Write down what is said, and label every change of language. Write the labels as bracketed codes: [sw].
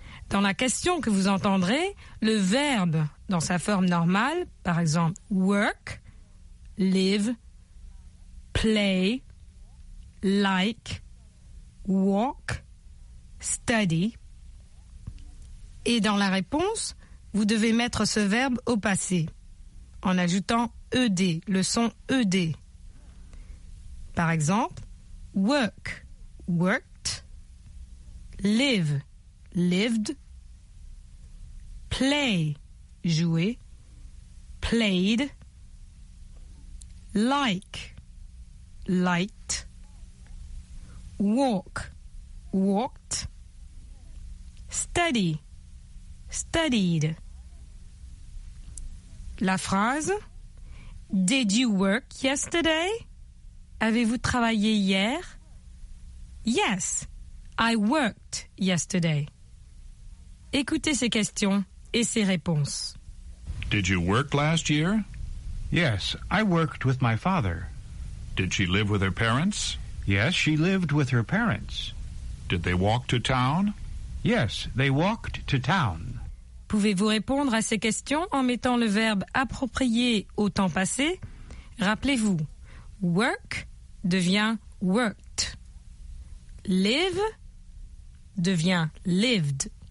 [fr] Dans la question que vous entendrez, le verbe, dans sa forme normale, par exemple, work, live, play, like, walk, study. Et dans la réponse, vous devez mettre ce verbe au passé, en ajoutant ED, le son ED. Par exemple, work, worked, live, lived, [en] play, jouer, played, like, liked, walk, walked, study, studied. [fr] La phrase, [en] did you work yesterday? [fr] Avez-vous travaillé hier? [en] Yes, I worked yesterday. [fr] Écoutez ces questions et ces réponses. [en] Did you work last year? Yes, I worked with my father. Did she live with her parents? Yes, she lived with her parents. Did they walk to town? Yes, they walked to town. [fr] Pouvez-vous répondre à ces questions en mettant le verbe approprié au temps passé? Rappelez-vous, work devient worked. Live devient lived.